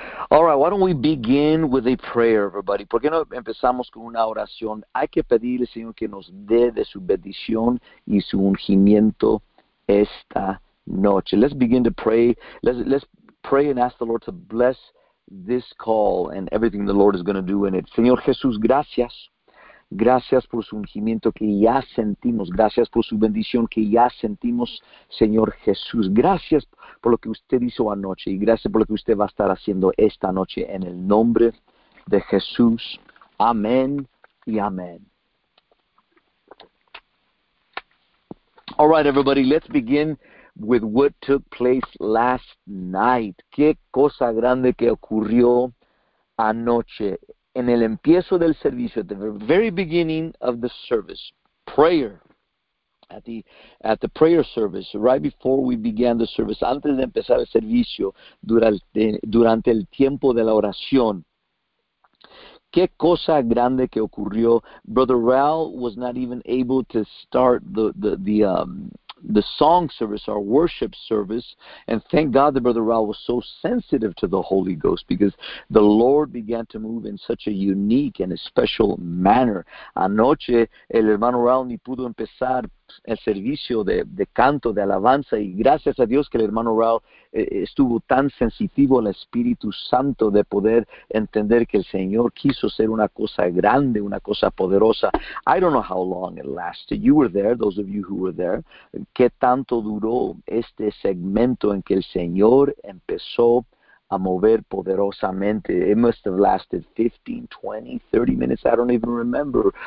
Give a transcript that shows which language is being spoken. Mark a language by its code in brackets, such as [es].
[en] All right, why don't we begin with a prayer, everybody? [es] ¿Por qué no empezamos con una oración? Hay que pedirle, Señor, que nos dé de su bendición y su ungimiento esta noche. [en] Let's begin to pray. Let's pray and ask the Lord to bless this call and everything the Lord is going to do in it. [es] Señor Jesús, gracias. Gracias por su ungimiento que ya sentimos. Gracias por su bendición que ya sentimos, Señor Jesús. Gracias por lo que usted hizo anoche y gracias por lo que usted va a estar haciendo esta noche en el nombre de Jesús. Amén y amén. [en] All right, everybody, let's begin with what took place last night. [es] ¿Qué cosa grande que ocurrió anoche? En el empiezo del servicio, [en] at the very beginning of the service, [es] prayer, at the prayer service, right before we began the service, antes de empezar el servicio, durante el tiempo de la oración, qué cosa grande que ocurrió. [en] Brother Raul was not even able to start the song service, our worship service, and thank God that Brother Raul was so sensitive to the Holy Ghost, because the Lord began to move in such a unique and a special manner. [es] Anoche, el hermano Raul ni pudo empezar el servicio de canto, de alabanza, y gracias a Dios que el hermano Raul estuvo tan sensitivo al Espíritu Santo de poder entender que el Señor quiso ser una cosa grande, una cosa poderosa. [en] I don't know how long it lasted. You were there, those of you who were there. [es] ¿Qué tanto duró este segmento en que el Señor empezó a mover poderosamente? [en] It must have lasted 15, 20, 30 minutes, I don't even remember.